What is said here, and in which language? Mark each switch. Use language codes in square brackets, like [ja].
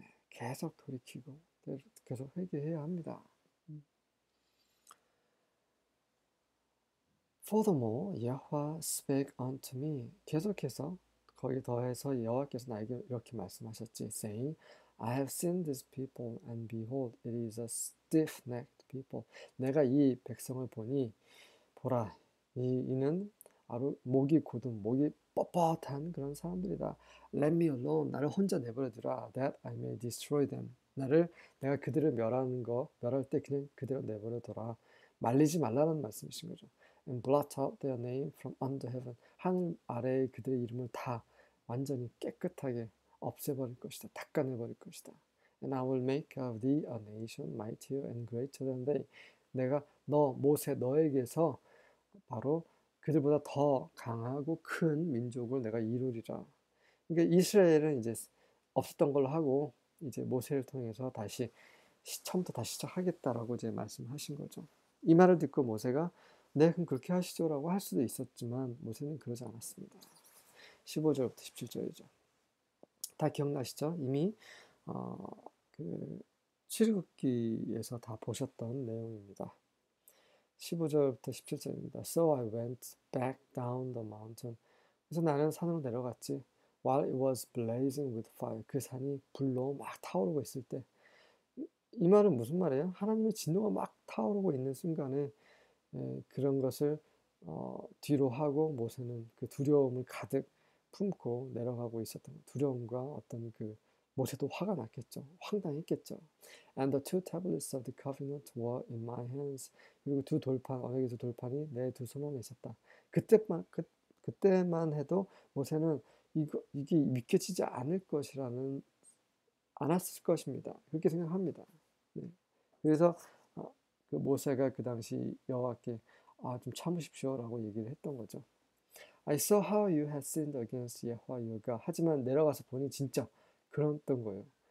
[ko] 계속 돌이키고 계속 회개해야 합니다. [en] Furthermore, Yahweh spake unto me. [ko] 계속해서 거기 더해서 여호와께서 나에게 이렇게 말씀하셨지. [en] Saying, I have seen these people and behold, it is a stiff-necked people. [ko] 내가 이 백성을 보니, 보라, 이는 아주 목이 굳은, 목이 뻣뻣한 그런 사람들이다. [en] Let me alone. [ko] 나를 혼자 내버려두라. [en] That I may destroy them. [ko] 내가 그들을 멸하는 거, 멸할 때 그냥 그대로 내버려둬라. 말리지 말라는 말씀이신 거죠. [en] and blot out their name from under heaven. [ko] 하늘 아래의 그들의 이름을 다 완전히 깨끗하게 없애버릴 것이다. 닦아내버릴 것이다. [en] And I will make of thee a nation mightier and greater than they. [ko] 내가 너 모세 너에게서 바로 그들보다 더 강하고 큰 민족을 내가 이루리라. 그러니까 이스라엘은 이제 없었던 걸로 하고 이제 모세를 통해서 다시 처음부터 다시 시작하겠다라고 이제 말씀하신 거죠. 이 말을 듣고 모세가 네, 그럼 그렇게 하시죠라고 할 수도 있었지만 모세는 그러지 않았습니다. 15절부터 17절이죠. 다 기억나시죠? 이미 출애굽기에서 다 보셨던 내용입니다. 15절부터 17절입니다. [en] So I went back down the mountain. [ko] 그래서 나는 산으로 내려갔지. [en] While it was blazing with fire. [ko] 그 산이 불로 막 타오르고 있을 때. 이 말은 무슨 말이에요? 하나님의 진노가 막 타오르고 있는 순간에 그런 것을 뒤로 하고 모세는 그 두려움을 가득 품고 내려가고 있었던 두려움과 어떤 그 모세도 화가 났겠죠. 황당했겠죠. [en] And the two tablets of the covenant were in my hands. [ko] 그리고 두 돌판, 언약의 두 돌판이 내두손 안에 있었다. 그때만 해도 모세는 이게 믿겨지지 않을 것이라는, 않았을 것입니다. 그렇게 생각합니다. 네. 그래서 그 모세가 그 당시 여호와께 아, 좀 참으십시오라고 얘기를 했던 거죠. [en] I saw how you had sinned against Yahweh your God. [ko] 하지만 내려가서 보니 진짜 그랬던 거예요.